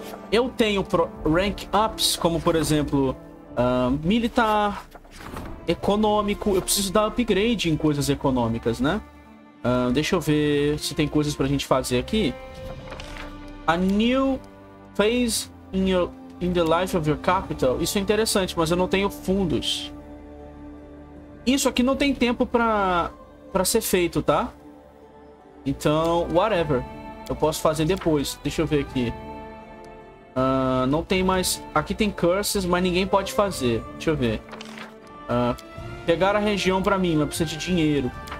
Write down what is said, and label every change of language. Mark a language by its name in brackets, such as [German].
[Portuguese] Eu tenho rank ups, como por exemplo, militar, econômico. Eu preciso dar upgrade em coisas econômicas, né? Deixa eu ver se tem coisas pra gente fazer aqui. [English] A new phase in the life of your capital. [Portuguese] Isso é interessante, mas eu não tenho fundos. Isso aqui não tem tempo pra ser feito, tá? Então, [English] whatever. [Portuguese] Eu posso fazer depois. Deixa eu ver aqui. Não tem mais. Aqui tem curses, mas ninguém pode fazer. Deixa eu ver. Pegar a região pra mim, mas precisa de dinheiro.